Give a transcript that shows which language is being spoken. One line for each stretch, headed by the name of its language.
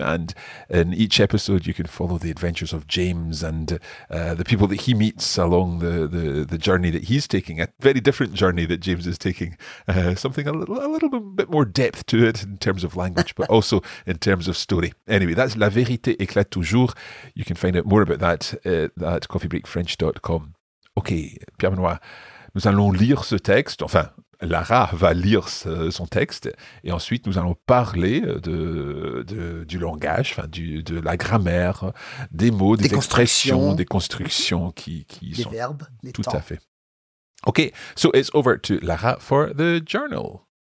English: And in each episode, you can follow the adventures of James and the people that he meets along the journey that he's taking, a very different journey that James is taking, something a little bit more depth to it. In terms of language, but also in terms of story. Anyway, that's La Vérité Éclate Toujours. You can find out more about that at coffeebreakfrench.com.
French: Okay, Pierre-Benoît, nous allons lire ce texte. Enfin, Lara va lire son texte. Et ensuite, nous allons parler du langage, de la grammaire, des mots, des expressions, des constructions qui des sont... Des verbes, les temps. Tout à fait.
English: Okay, so it's over to Lara for the journal.